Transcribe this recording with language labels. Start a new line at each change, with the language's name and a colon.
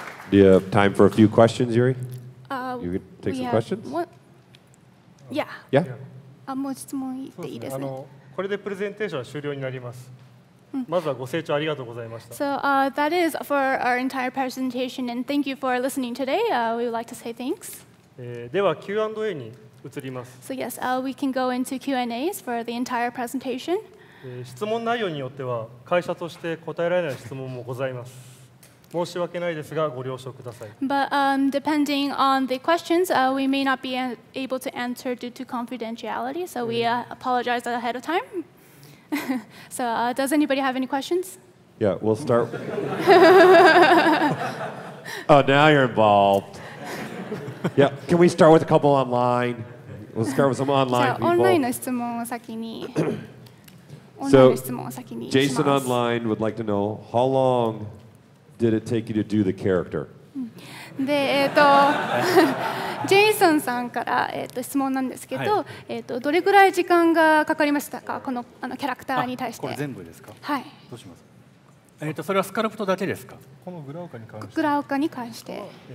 English: Do you have time for a few questions, Yuri? You could take some questions? Yeah.
Japanese: もう質問いっていいですね。これでプレゼンテーションは終了になります。まずはご清聴ありがとうございました。
English: So, that is for our entire presentation and thank you for listening today. We would like to say thanks.
Japanese: では Q&A に移ります。
English: So, yes, we can go into Q&As for the entire presentation.
Japanese: 質問内容によっては会社として答えられない質問もございます。申し訳ないですがご了承ください。
English: But depending on the questions, we may not be able to answer due to confidentiality, so we apologize ahead of time. So does anybody have any questions? Yeah, we'll start. Oh, now you're involved. Yeah, can we start with a couple online? We'll start with some online people.
Japanese: じゃあ、オンラインの質問を先に。
English: So, Jason online would like to know how long. Did it take you to do the character?
Japanese: で、ジェイソンさんから、質問なんですけど、はい、どれぐらい時間がかかりましたか、この、キャラクターに対して。これ全部ですか。はい。どうします。それはスカルプトだけですか。このグラウカに関して。グラウカに関して。